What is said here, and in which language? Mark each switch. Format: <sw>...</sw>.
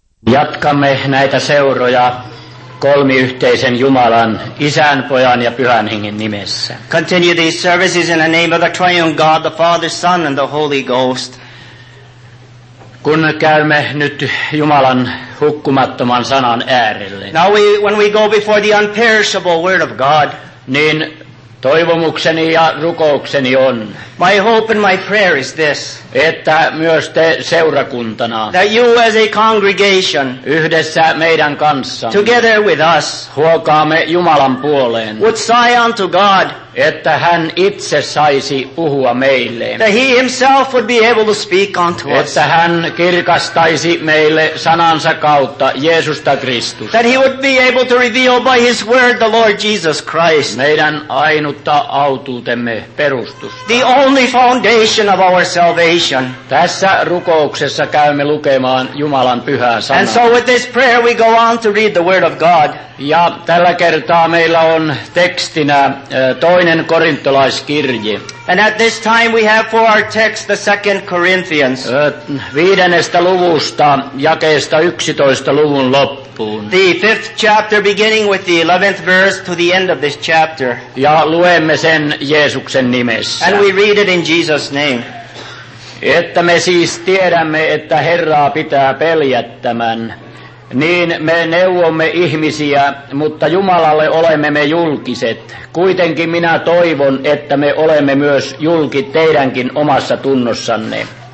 <fi>Jatkamme näitä seuroja kolmiyhteisen Jumalan, Isän, Pojan ja Pyhän Hengen nimessä.</fi> <en>Continue these services in the name of the Triune God, the Father, Son and the Holy Ghost.</en> <fi>Kun käymme nyt Jumalan hukkumattoman sanan äärelle.</fi> <en>Now when we go before the unperishable word of God,</en> <fi>niin toivomukseni ja rukoukseni on,</fi> <en>my hope and my prayer is this,</en> <fi>että myös te seurakuntana,</fi> <en>that you as a congregation,</en> <fi>yhdessä meidän kanssa,</fi> <en>together with us,</en> <fi>huokaamme Jumalan puoleen,</fi> <en>would sigh unto God,</en> <fi>että hän itse saisi puhua meille,</fi> <en>that he himself would be able to speak unto us,</en> <fi>että hän kirkastaisi meille sanansa kautta Jeesusta Kristusta,</fi> <en>that he would be able to reveal by his word the Lord Jesus Christ,</en> <fi>meidän ainutta autuutemme perustusta,</fi> <en>the only foundation of our salvation.</en> <fi>Tässä rukouksessa käymme lukemaan Jumalan pyhää sanaa.</fi> <en>And so with this prayer we go on to read the word of God.</en> <fi>Ja tällä kertaa meillä on tekstinä toinen korintolaiskirje.</fi> <en>And at this time we have for our text the second Corinthians.</en> <fi>Viidennestä luvusta jakeesta 11 luvun loppuun.</fi> <en>The fifth chapter beginning with the 11th verse to the end of this chapter.</en> <fi>Ja luemme sen Jeesuksen nimessä.</fi> <en>And we read it in Jesus' name.</en> <fi>Että me siis tiedämme, että Herraa pitää peljättämän. Niin me neuvomme ihmisiä, mutta Jumalalle olemme me julkiset. Kuitenkin minä toivon, että me olemme myös julki teidänkin omassa tunnossanne.</fi>